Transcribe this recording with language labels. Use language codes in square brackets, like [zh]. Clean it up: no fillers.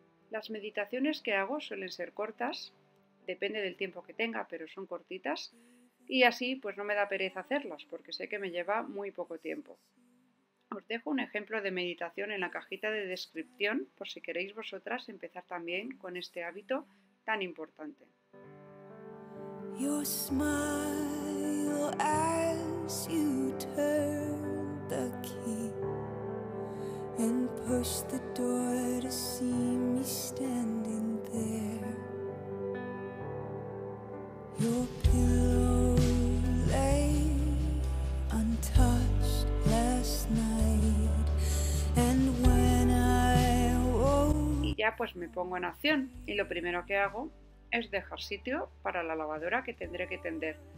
[es] Las meditaciones que hago suelen ser cortas, depende del tiempo que tenga, pero son cortitas, y así pues no me da pereza hacerlas, porque sé que me lleva muy poco tiempo. Os dejo un ejemplo de meditación en la cajita de descripción, por si queréis vosotras empezar también con este hábito tan importante. [en] Your smile as you turn the key and push the door to see me standing there. Your pillow lay untouched last night and when I woke. [es] Y ya pues me pongo en acción y lo primero que hago es dejar sitio para la lavadora que tendré que tender.